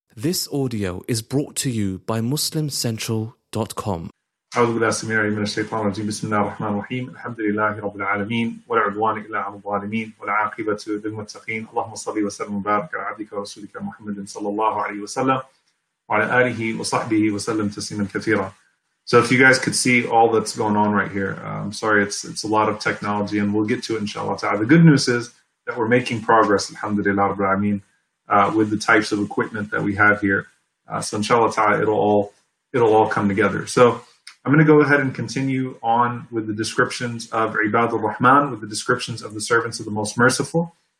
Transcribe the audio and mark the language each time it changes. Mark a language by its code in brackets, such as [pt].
[en] This audio is brought to you by MuslimCentral.com. [ar] أعوذ بالله السميع العليم من الشيطان الرجيم بسم الله الرحمن الرحيم الحمد لله رب العالمين ولا عدوان إلا على الظالمين ولا عاقبة للمتقين اللهم صل وسلم وبارك على عبدك ورسولك محمد صلى الله عليه وسلم وعلى آله وصحبه وسلم تسليما كثيرا. [en] So if you guys could see all that's going on right here, I'm sorry, it's a lot of technology and we'll get to it inshallah ta'ala. The good news is that we're making progress, [ar] alhamdulillah rabbil alameen, [en] with the types of equipment that we have here. So inshallah ta'ala, it'll all come together. So I'm going to go ahead and continue on with the descriptions of Ibad al-Rahman, with the descriptions of the servants of the Most Merciful.